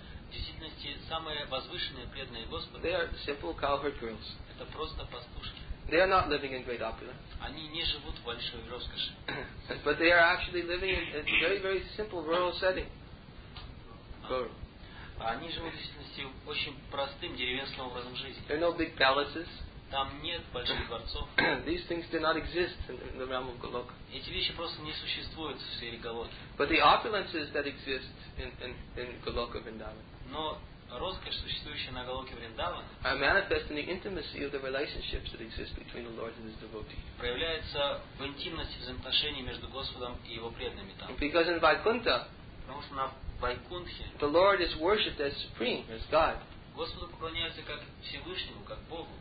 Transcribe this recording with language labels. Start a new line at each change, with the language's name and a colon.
Russian: В действительности самые возвышенные преданные Господа.
English: They are simple cowherd girls.
Russian: Это просто пастушки.
English: They are not living in great opulence.
Russian: Они не живут в большой роскоши.
English: But they are actually living in a very very simple rural setting.
Russian: Они живут в действительности очень простым деревенским образом жизни.
English: There are no big palaces.
Russian: Там нет больших дворцов.
English: These things do not exist in the realm of Goloka.
Russian: Эти вещи просто не существуют в сфере Голоки.
English: But the opulences that exist in Goloka Vrindavan.
Russian: Но роскошь, существующая на Голоке Вриндаван,
English: are manifest in the intimacy of the relationships that exist between the Lord and His devotee.
Russian: Проявляется в интимности взаимоотношений между Господом и Его преданными там.
English: Because in Vaikuntha,
Russian: потому что на Вайкунтхе,
English: the Lord is worshipped as supreme, as God.
Russian: Господу поклоняются как Всевышнему, как Богу.